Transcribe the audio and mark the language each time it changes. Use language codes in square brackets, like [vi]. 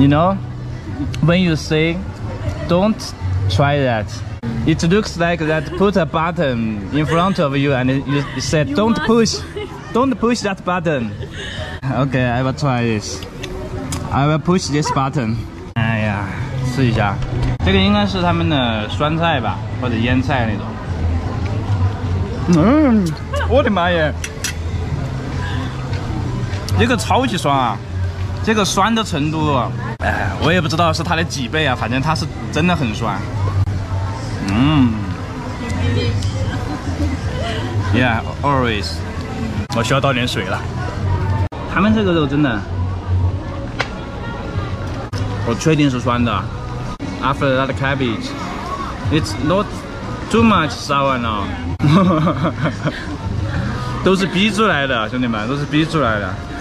[en] You know? When you say, don't try that. It looks like that put a button in front of you and you said, don't push. Don't push that button. Okay, I will try this. I will push this button. 哎呀， [zh] 试一下。这个应该是他们的酸菜吧，或者腌菜那种。嗯，我的妈耶，这个超级酸啊，这个酸的程度，我也不知道是它的几倍啊，反正它是真的很酸。嗯 ， [en] Yeah, always。 [zh] 我需要倒点水了。他们这个肉真的，我确定是酸的。 [en] After that cabbage, it's not too much sour now。 [zh] 都是逼出来的，兄弟们，都是逼出来的。